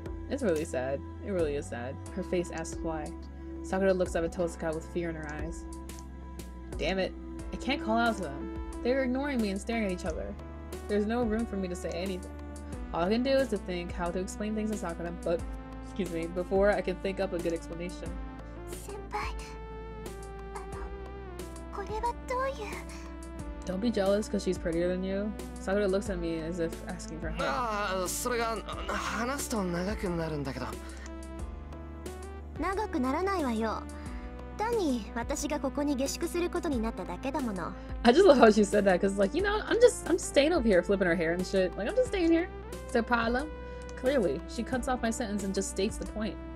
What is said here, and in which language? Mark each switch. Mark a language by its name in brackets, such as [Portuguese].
[English] It's really sad. It really is sad. Her face asks why. Sakura looks up at Tosuka with fear in her eyes. Damn it. I can't call out to them. They're ignoring me and staring at each other. There's no room for me to say anything. All I can do is to think how to explain things to Sakura, but, excuse me, before I can think up a good explanation. [Japanese] Senpai, これはどういう? [English] Don't be jealous because she's prettier than you. Sakura looks at me as if asking for help. [Japanese] Ah, それが話すと長くなるんだけど。長くならないわよ。単に私がここに下宿することになっただけだもの。 [English] I just love how she said that because, like, you know, I'm just staying over here, flipping her hair and shit. Like, I'm just staying here. It's a problem. Clearly, she cuts off my sentence and just states the point.